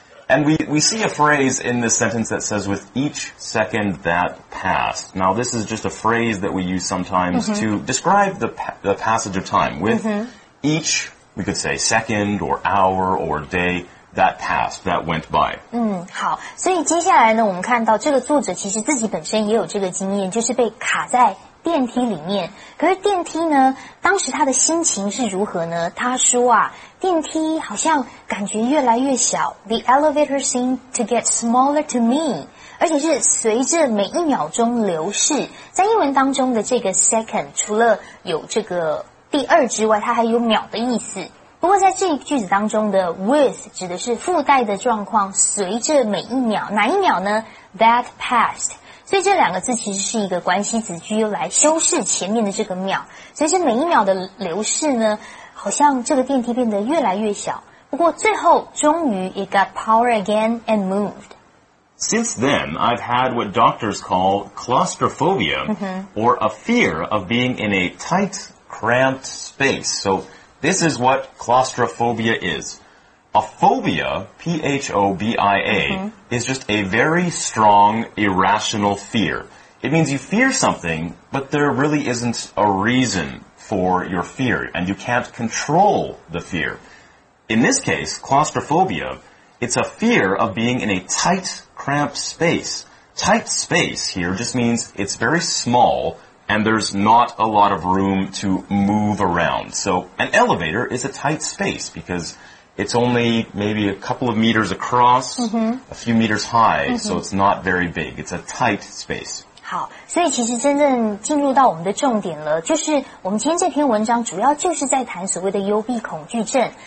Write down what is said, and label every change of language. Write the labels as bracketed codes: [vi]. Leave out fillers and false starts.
[en] And we see a phrase in this sentence that says, with each second that passed. Now, this is just a phrase that we use sometimes to describe the passage of time. With each, we could say, second or hour or day that passed, that went by. [zh] 好。所以接下来呢，我们看到这个作者其实自己本身也有这个经验，就是被卡在电梯里面。可是电梯呢，当时他的心情是如何呢？他说啊，电梯好像感觉越来越小。 [en] The elevator seemed to get smaller to me. [zh] 而且是随着每一秒钟流逝。在英文当中的这个 second, 除了有这个第二之外，它还有秒的意思。不过在这一句子当中的 with 指的是附带的状况，随着每一秒，哪一秒呢？ [en] That passed. [zh] 所以这两个字其实是一个关系子句，又来修饰前面的这个秒。所以这每一秒的流逝呢，好像这个电梯变得越来越小。不过最后终于 [en] it got power again and moved. Since then, I've had what doctors call claustrophobia, or a fear of being in a tight, cramped space. So this is what claustrophobia is. A phobia, P-H-O-B-I-A, is just a very strong, irrational fear. It means you fear something, but there really isn't a reason for your fear, and you can't control the fear. In this case, claustrophobia, it's a fear of being in a tight, cramped space. Tight space here just means it's very small, and there's not a lot of room to move around. So an elevator is a tight space because... It's only maybe a couple of meters across, a few meters high, so it's not very big. It's a tight space. [zh] 好，所以其实真正进入到我们的重点了，就是我们今天这篇文章主要就是在谈所谓的幽闭恐惧症。